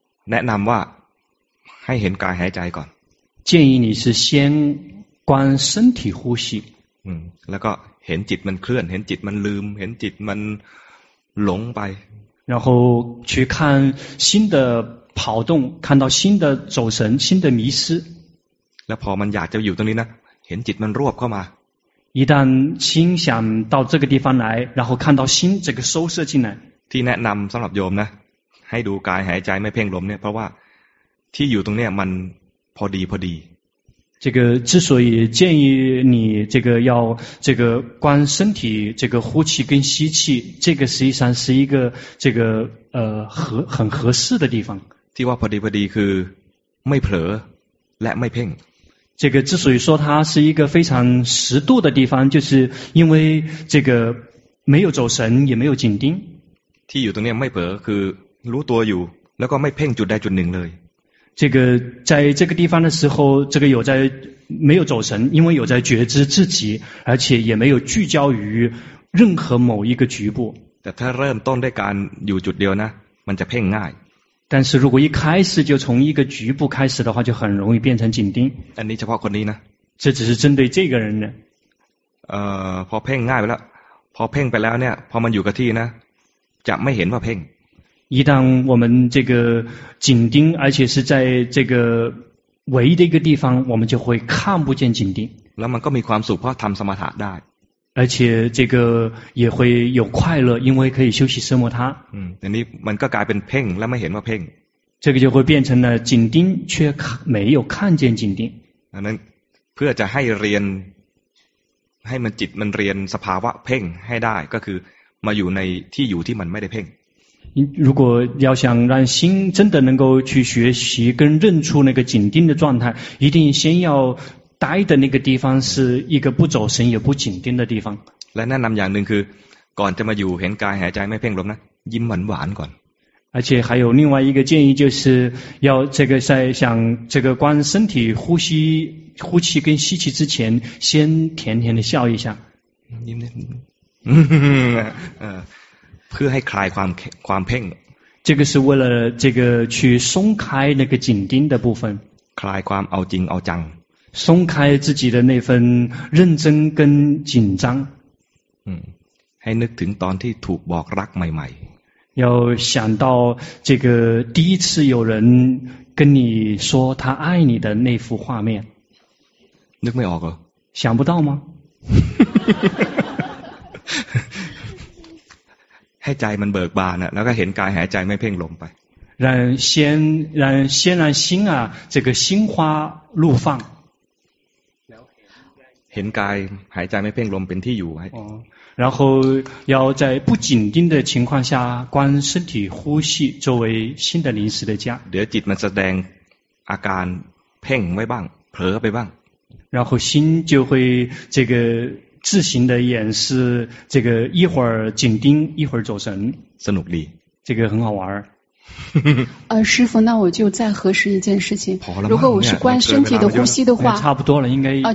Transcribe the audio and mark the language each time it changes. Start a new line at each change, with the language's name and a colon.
Thai: แนะนำว่าให้เห็นกายหายใจก่อน
Chinese: 建议你是先观身体呼吸
Thai: แล้วก็เห็นจิตมันเคลื่อนเห็นจิตมันลืมเห็นจิตมันหลงไป
Chinese: 然后去看心的跑动看到心的走神心的迷失
Thai: แล้วพอมันอยากจะอยู่ตรงนี้นะเห็นจิตมันรวบเข้ามา
Chinese: 一旦心想到这个地方来然后看到心这个收摄进来
Thai: ที่แนะนำสำหรับโยมนะให้ดูกายหายใจไม่เพ่งลมเนี่ยเพราะว่าที่อยู่ตรงเนี้ยมันพอดีพอดี
Chinese: 这个之所以建议你这个要这个观身体这个呼气跟吸气这个实际上是一个这个很合适的地方
Thai: ที่ว่าพอดีพอดีคือไม่เผลอและไม่เพ่ง
Chinese: 这个之所以说它是一个非常适度的地方就是因为这个没有走神也没有紧盯
Thai: ที่อยู่ตรงนี้ไม่เผลอคือรู้ตัวอยู่แล้วก็ไม่เพ่งจุดใดจุดหนึ่งเลย
Chinese: 这个在这个地方的时候这个有在没有走神因为有在觉知自己而且也没有聚焦于任何某一个局部
Thai: แต่ถ้าเริ่มต้นด้วยการอยู่จุดเดียวนะมันจะเพ่งง่าย
Chinese: 但是如果一开始就从一个局部开始的话就很容易变成紧盯
Thai: อันนี้เฉพาะคนนี้นะ
Chinese: 这只是针对这个人呢
Thai: พอเพ่งง่ายไปแล้วพอเพ่งไปแล้วเนี่ยพอมันอยู่กับที่นะจะไม่เห็นว่าเพ่ง
Chinese: 一旦我们这个紧盯而且是在这个唯一的一个地方我们就会看不见紧盯
Thai: แล้วมันก็มีความสุขเพราะทำสมถะได้
Chinese: 而且这个也会有快乐因为可以休息奢摩他
Thai: อันนี้มันก็กลายเป็นเพ่งแล้วไม่เห็นว่าเพ่ง
Chinese: 这个就会变成了紧盯却没有看见紧盯
Thai: อันนั้นเพื่อจะให้เรียนให้มันจิตมันเรียนสภาวะเพ่งให้ได้ก็คือมาอยู่ในที่อยู่ที่มันไม่ได้เพ่ง
Chinese: 如果要想让心真的能够去学习跟认出那个紧盯的状态一定先要待的那个地方是一个不走神也不紧盯的地方。
Thai: และแนะนำอย่างหนึ่งคือก่อนจะมาอยู่เห็นกายหายใจไม่เพ่งลมนะยิ้มหวานหวานก่อน
Chinese: 而且还有另外一个建议，就是要这个在想这个观身体呼吸呼气跟吸气之前，先甜甜的笑一下。
Thai: เพื่อให้คลายความความเพ่ง
Chinese: 这个是为了这个去松开那个紧盯的部分。
Thai: คลายความเอาจริงเอาจัง
Chinese: 松开自己的那份认真跟紧张。
Thai: ให้นึกถึงตอนที่ถูกบอกรักใหม่
Chinese: 要想到这个第一次有人跟你说他爱你的那幅画面，那没有个想不到吗？
Thai: ให้ใจมันเบิกบานอ่ะแล้วก็เห็นกายหายใจไม่เพ่งลมไป
Chinese: 让先让心啊这个心花怒放，
Thai: เห็นกายหายใจไม่เพ่งลมเป็นที่อยู่ไว้
Chinese: 然后要在不紧盯的情况下观身体呼吸作为新的临时的家
Thai: เดี๋ยวจิตมันแสดงอาการเพ่งไว้บ้างเผลอไปบ้าง
Chinese: 然后心就会这个自行的演示这个一会儿紧盯一会儿走神
Thai: สนุกดี
Chinese: 这个很好玩师父那我就再核实一件事情如果我是观身体的呼吸的话差不多了应该